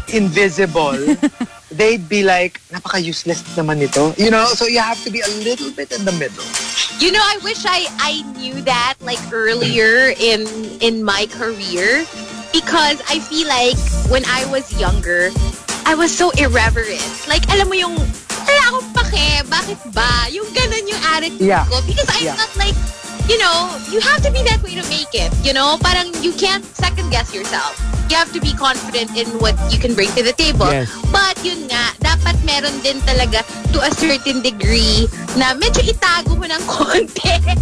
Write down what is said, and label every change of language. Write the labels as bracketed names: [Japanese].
[English] invisible, they'd be like, [Filipino] napaka-useless naman ito. [English] You know? So you have to be a little bit in the middle. You know, I wish I knew that like earlier in my career, because I feel like when I was younger, I was so irreverent. [Filipino] Like, alam mo yung wala akong pake, bakit ba? Yung ganun yung attitude ko. [English] Because I felt like, you know, you have to be that way to make it. You know, parang you can't second guess yourself. You have to be confident in what you can bring to the table. Yes. [Filipino] But yun nga, dapat meron din talaga [English] to a certain degree [Filipino] na medyo itago mo ng konti.